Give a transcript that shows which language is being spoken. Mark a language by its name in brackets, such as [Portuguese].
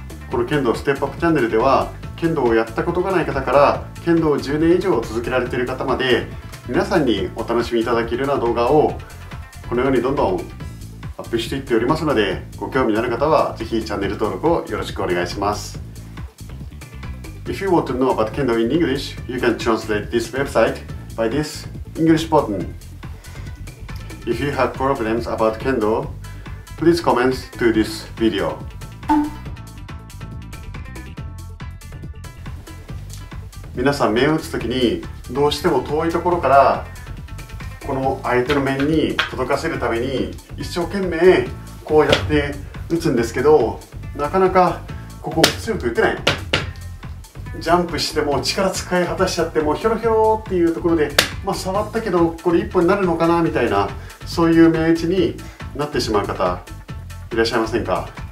[Japanese] この剣道ステップアップチャンネルでは剣道をやったことがない方から剣道を10年以上続けられている方まで、皆さんにお楽しみいただけるような動画をこのようにどんどんアップしていっておりますので、ご興味のある方はぜひチャンネル登録をよろしくお願いします。 [English] If you want to know about Kendo in English, you can translate this website by this English button. If you have problems about Kendo, please comment to this video. [Japanese] みなさん、面を打つときにどうしても遠いところからこの相手の面に届かせるために一生懸命こうやって打つんですけど、なかなかここ強く打てない、ジャンプしても力使い果たしちゃってもヒョロヒョロっていうところで、まあ触ったけどこれ一本になるのかなみたいな、そういう面打ちになってしまう方いらっしゃいませんか？